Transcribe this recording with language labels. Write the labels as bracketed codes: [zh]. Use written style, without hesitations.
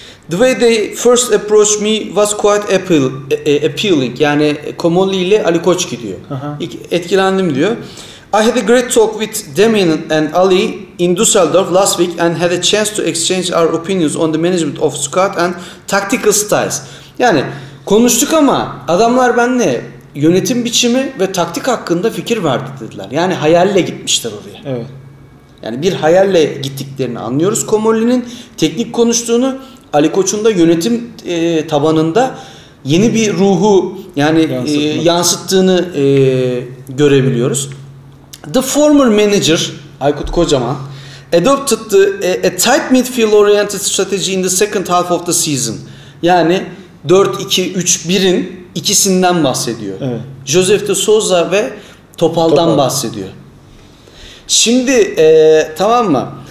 [en] The way they first approached me was quite appealing. [tr] Yani Komoli ile Ali Koç gidiyor. Etkilendim diyor. [en] I had a great talk with Damien and Ali in Düsseldorf last week and had a chance to exchange our opinions on the management of squad and tactical styles. [tr] Yani konuştuk ama adamlar benimle yönetim biçimi ve taktik hakkında fikir verdi dediler. Yani hayalle gitmişler oraya. Evet. Yani bir hayalle gittiklerini anlıyoruz. Komolli'nin teknik konuştuğunu, Ali Koç'un da yönetim tabanında yeni bir ruhu yani yansıttığını görebiliyoruz. [en] The former manager, Aykut Kocaman, adopted a tight midfield-oriented strategy in the second half of the season. [tr] Yani 4-2-3-1'in ikisinden bahsediyor. Evet. Josef de Souza ve Topal'dan bahsediyor. Şimdi, tamam mı?